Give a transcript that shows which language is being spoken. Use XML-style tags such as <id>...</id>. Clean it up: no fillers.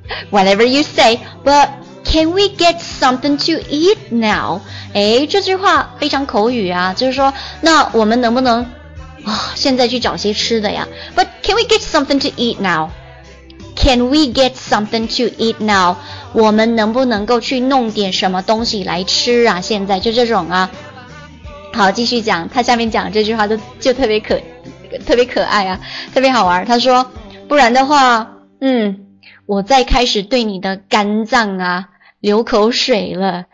<en>whatever you say， but can we get something to eat now？</en> <zh>诶，这句话非常口语啊，就是说那我们能不能、哦、现在去找些吃的呀。</zh> <en>but can we get something to eat now？ Can we get something to eat now？</en> <zh>我们能不能够去弄点什么东西来吃啊，现在就这种啊。好，继续讲，他下面讲这句话就特别可爱啊，特别好玩。他说，不然的话，嗯，我再开始对你的肝脏啊流口水了。</zh>